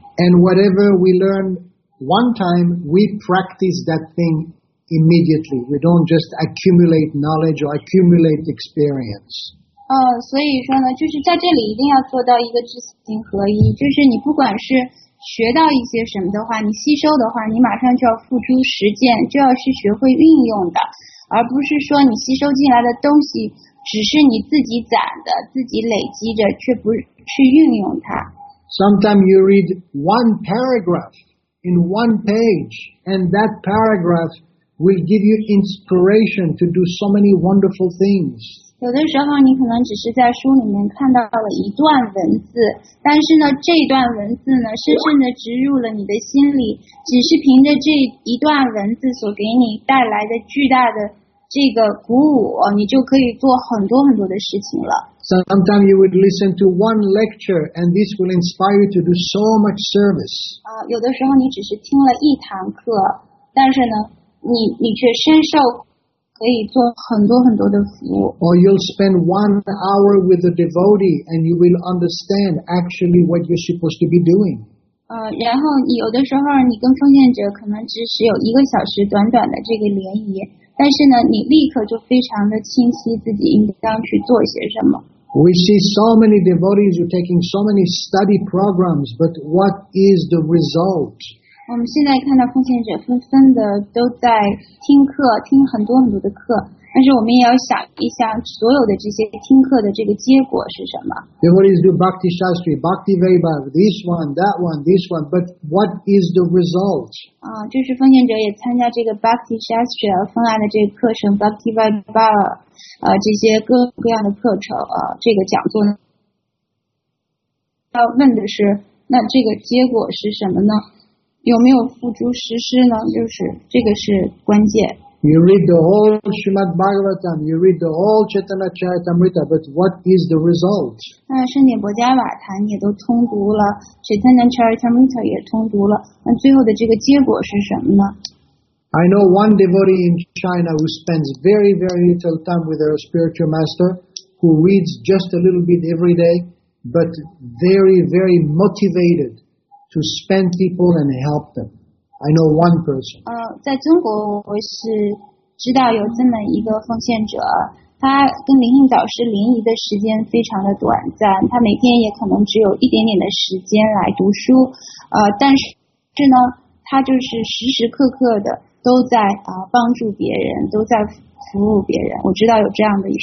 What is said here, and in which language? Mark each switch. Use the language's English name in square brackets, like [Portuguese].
[English] And whatever we learn one time, we practice that thing immediately. We don't just accumulate knowledge or accumulate experience. [Chinese] 所以说呢，就是在这里一定要做到一个知行合一。就是你不管是学到一些什么的话，你吸收的话，你马上就要付诸实践，就要去学会运用的，而不是说你吸收进来的东西只是你自己攒的、自己累积着，却不去运用它。 [English] Sometimes you read one paragraph in one page, and that paragraph will give you inspiration to do so many wonderful things. [Chinese] 有的时候你可能只是在书里面看到了一段文字，但是呢，这段文字呢，深深的植入了你的心里，只是凭着这一段文字所给你带来的巨大的这个鼓舞，你就可以做很多很多的事情了。 [English] Sometimes you would listen to one lecture, and this will inspire you to do so much service. [Chinese] 有的时候你只是听了一堂课，但是呢，你却深受，可以做很多很多的服务。 [English] Or you'll spend 1 hour with a devotee, and you will understand actually what you're supposed to be doing. [Chinese] 然后你有的时候你跟奉献者可能只是有一个小时短短的这个联谊。但是呢，你立刻就非常的清晰自己应当去做些什么。 [English] We see so many devotees who are taking so many study programs, but what is the result? [Chinese] 我们现在看到奉献者纷纷的都在听课，听很多很多的课。但是我们也要想一想，所有的这些听课的这个结果是什么 [English] ？Devotees do bhakti shastri, bhakti vaibha, this one, that one, this one, but what is the result？ [Chinese] 就是奉献者也参加这个 bhakti shastri 分爱的这个课程 ，bhakti vaibha， 这些各种各样的课程这个讲座呢，要问的是，那这个结果是什么呢？有没有付诸实施呢？就是这个是关键。 [English] You read the whole Srimad Bhagavatam, you read the whole Chaitanya Charitamrita, but what is the result? [Chinese] 圣典博迦瓦坛也都通读了 ，Chaitanya Charitamrita 也通读了，那最后的这个结果是什么呢 [English] ？I know one devotee in China who spends very, very little time with their spiritual master, who reads just a little bit every day, but very, very motivated to spend people and help them. I know one person. [Chinese] 在中国我是知道有这么一个奉献者，他跟灵性导师联谊的时间非常的短暂，他每天也可能只有一点点的时间来读书，但是呢，他就是时时刻刻的都在帮助别人，都在服务别人。我知道有这样的一个人。